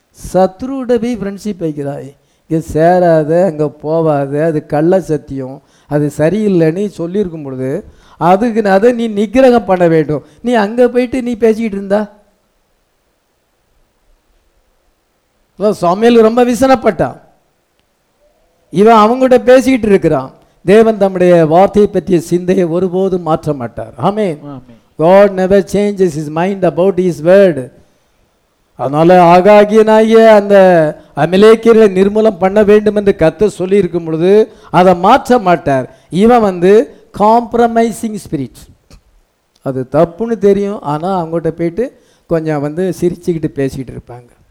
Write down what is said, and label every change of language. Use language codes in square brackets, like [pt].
[ta] சத்ருட போய் ஃப்ரெண்ட்ஷிப் வைக்கிறாய், இங்கே சேராத, அங்கே போவாத, அது கள்ள சத்தியம், அது சரியில்லைன்னு சொல்லியிருக்கும் பொழுது அதுக்கு அதை நீ நிகரகம் பண்ண வேண்டும். நீ அங்கே போயிட்டு நீ பேசிக்கிட்டு இருந்தா. சாமுவேல் ரொம்ப விசனப்பட்டான். இவன் அவங்ககிட்ட பேசிக்கிட்டு இருக்கிறான், தேவன் தம்முடைய வார்த்தையை பற்றிய சிந்தையை ஒருபோதும் மாற்ற மாட்டார். ஆமென். [en] God never changes his mind about his word. [ta] அதனால் ஆகாகியனாகிய அந்த அமலேக்கியரை நிர்மூலம் பண்ண வேண்டும் என்று கர்த்தர் சொல்லியிருக்கும் பொழுது அதை மாற்ற மாட்டார். இவன் வந்து [en] Compromising spirit. [ta] அது தப்புன்னு தெரியும், ஆனால் அவங்ககிட்ட போயிட்டு கொஞ்சம் வந்து சிரிச்சுக்கிட்டு பேசிக்கிட்டு இருப்பாங்க.